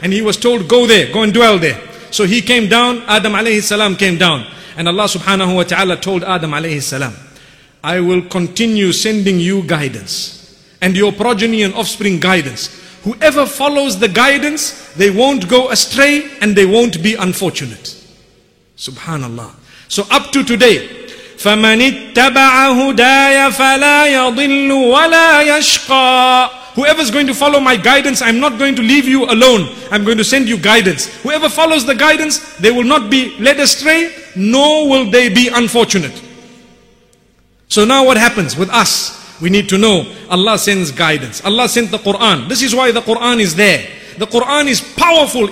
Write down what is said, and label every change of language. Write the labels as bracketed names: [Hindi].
[English] And he was told, go there, go and dwell there. So he came down, Adam alayhi salam came down. And Allah subhanahu wa ta'ala told Adam alayhi salam, I will continue sending you guidance, and your progeny and offspring guidance, Whoever follows the guidance, they won't go astray and they won't be unfortunate. Subhanallah. So up to today, [Arabic] فَمَنِ اتَّبَعَ هُدَايَ فَلَا يَضِلُّ وَلَا يَشْقَى. [English] Whoever's going to follow my guidance, I'm not going to leave you alone. I'm going to send you guidance. Whoever follows the guidance, they will not be led astray, nor will they be unfortunate. So now what happens with us? We need to know Allah sends guidance. Allah sent the Quran. This is why the Quran is there. The Quran is powerful.